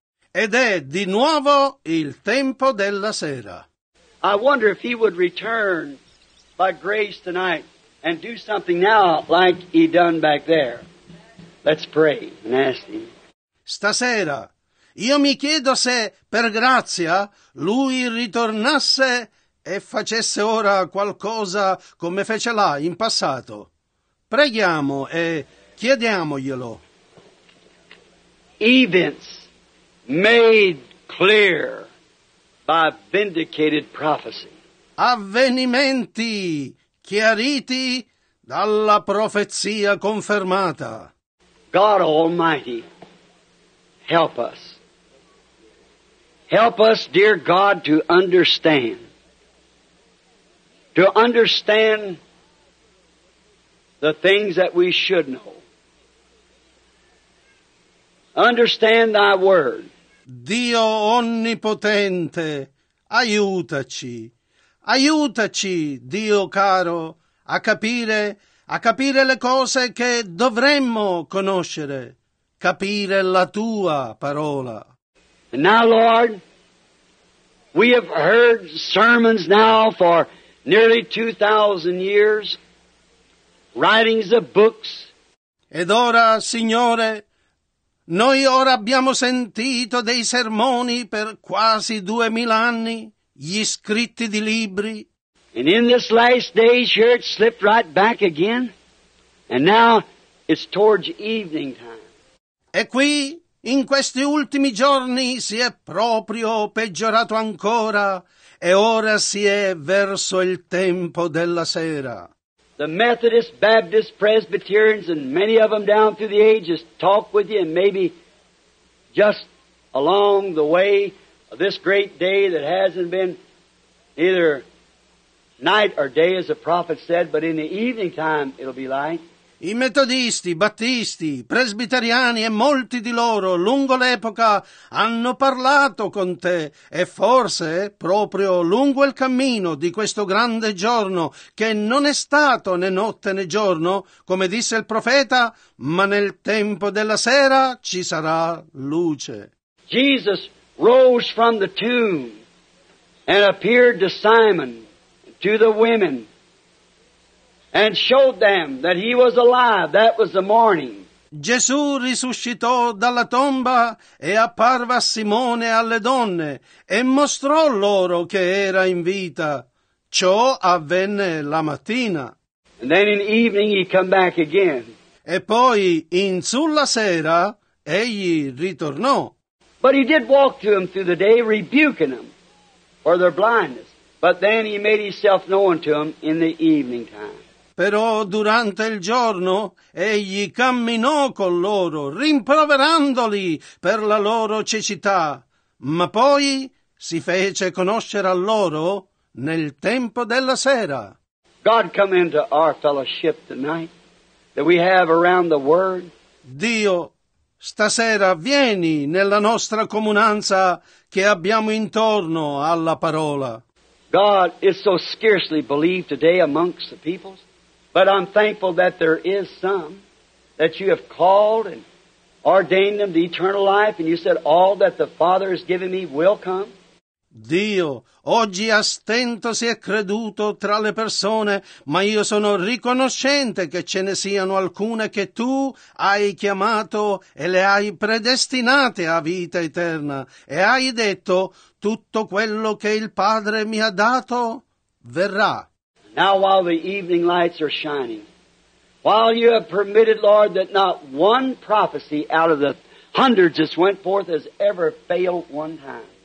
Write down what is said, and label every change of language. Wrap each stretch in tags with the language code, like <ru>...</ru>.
<it>Ed è di nuovo il tempo della sera.</it> <en>I wonder if he would return by grace tonight and do something now like he done back there. Let's pray and ask him.</en> <it>Stasera, io mi chiedo se per grazia lui ritornasse e facesse ora qualcosa come fece là in passato. Preghiamo e chiediamoglielo.</it> <en>Events made clear by vindicated prophecy.</en> <it>Avvenimenti chiariti dalla profezia confermata.</it> <en>God Almighty, help us. Help us, dear God, to understand. To understand the things that we should know. Understand Thy Word.</en> <it>Dio Onnipotente, aiutaci. Aiutaci, Dio caro, a capire le cose che dovremmo conoscere, capire la Tua parola.</it> <en>And now, Lord, we have heard sermons now for nearly 2,000 years, writings of books.</en> <it>Ed ora, Signore, noi ora abbiamo sentito dei sermoni per quasi 2,000 anni, gli scritti di libri.</it> <en>And in this last day, sure, it slipped right back again. And now it's towards evening time.</en> <it>E qui, in questi ultimi giorni, si è proprio peggiorato ancora. E ora si è verso il tempo della sera.</it> <en>The Methodists, Baptists, Presbyterians, and many of them down through the ages talk with you, and maybe just along the way of this great day that hasn't been either night or day, as the prophet said, but in the evening time it'll be light.</en> <it>I metodisti, battisti, presbiteriani e molti di loro lungo l'epoca hanno parlato con te e forse proprio lungo il cammino di questo grande giorno che non è stato né notte né giorno, come disse il profeta, ma nel tempo della sera ci sarà luce.</it> <en>Jesus rose from the tomb and appeared to Simon, to the women, and showed them that he was alive. That was the morning.</en> <it>Gesù risuscitò dalla tomba e apparve a Simone e alle donne e mostrò loro che era in vita. Ciò avvenne la mattina.</it> <en>And then in evening he come back again.</en> <it>E poi in sulla sera egli ritornò.</it> <en>But he did walk to them through the day, rebuking them for their blindness. But then he made himself known to them in the evening time.</en> <it>Però durante il giorno egli camminò con loro, rimproverandoli per la loro cecità, ma poi si fece conoscere a loro nel tempo della sera.</it> <en>God come into our fellowship tonight that we have around the Word.</en> <it>Dio, stasera vieni nella nostra comunanza che abbiamo intorno alla parola.</it> <en>God is so scarcely believed today amongst the peoples. But I'm thankful that there is some that you have called and ordained them to eternal life, and you said, all that the Father has given me will come.</en> <it>Dio, oggi a stento si è creduto tra le persone, ma io sono riconoscente che ce ne siano alcune che tu hai chiamato e le hai predestinate a vita eterna, e hai detto, tutto quello che il Padre mi ha dato verrà.</it> <en>Now while the evening lights are shining, while you have permitted, Lord, that not one prophecy out of the hundreds that went forth has ever failed one time.</en>